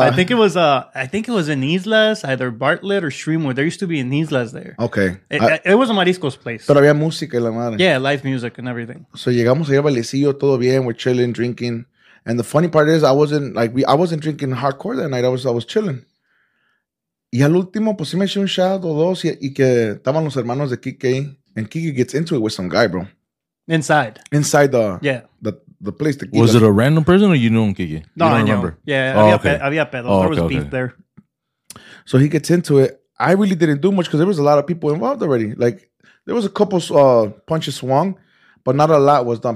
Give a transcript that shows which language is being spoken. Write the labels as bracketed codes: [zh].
[en] I think it was in Islas, either Bartlett or Shreemore. There used to be an Islas there. Okay. It was a Marisco's place. [es] Pero había música y la madre. [en] Yeah, live music and everything. [es] So llegamos allá a Valecillo, todo bien, [en] we're chilling, drinking. And the funny part is I wasn't drinking hardcore that night. I was chilling. [es] Y al último, pues sí me eché un shot o dos y que estaban los hermanos de Kike. [en] And Kike gets into it with some guy, bro. Inside. Inside the place. The was it a random person or you knew him, Kike? No, I remember. Know. Yeah, oh, [es] había pedo. [en] Oh, there was beef there. So he gets into it. I really didn't do much because there was a lot of people involved already. Like, there was a couple punches swung, but not a lot was done.